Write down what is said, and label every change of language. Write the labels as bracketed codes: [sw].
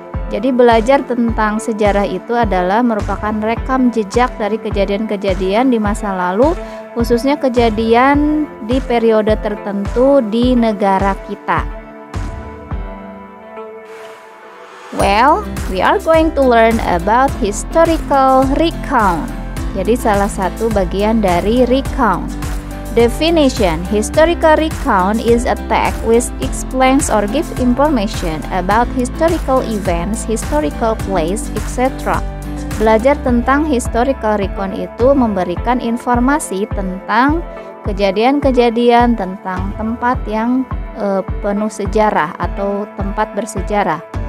[id] Jadi belajar tentang sejarah itu adalah merupakan rekam jejak dari kejadian-kejadian di masa lalu, khususnya kejadian di periode tertentu di negara kita. [en] Well, we are going to learn about historical recount. [id] Jadi salah satu bagian dari recount. [en] Definition: historical recount is a text which explains or gives information about historical events, historical place, etc. [id] Belajar tentang historical recount itu memberikan informasi tentang kejadian-kejadian, tentang tempat yang penuh sejarah atau tempat bersejarah.